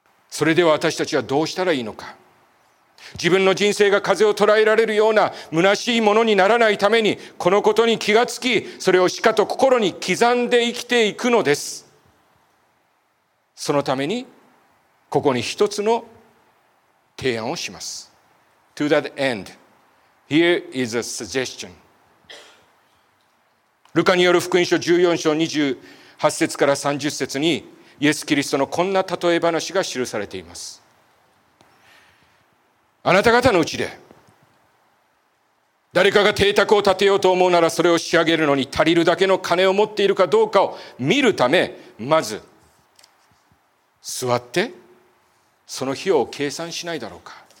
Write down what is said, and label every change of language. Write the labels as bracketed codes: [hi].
[ja] それでは私たちはどうしたらいいのか。自分の人生が風を捉えられるような虚しいものにならないために、このことに気がつき、それをしかと心に刻んで生きていくのです。そのためにここに一つの提案をします。 [en] To that end, here is a suggestion. [ja] ルカによる福音書14章28節から30節にイエス・キリストのこんな例え話が記されています。あなた方のうちで誰かが邸宅を建てようと思うなら、それを仕上げるのに足りるだけの金を持っているかどうかを見るため、まず座ってその費用を計算しないだろうか。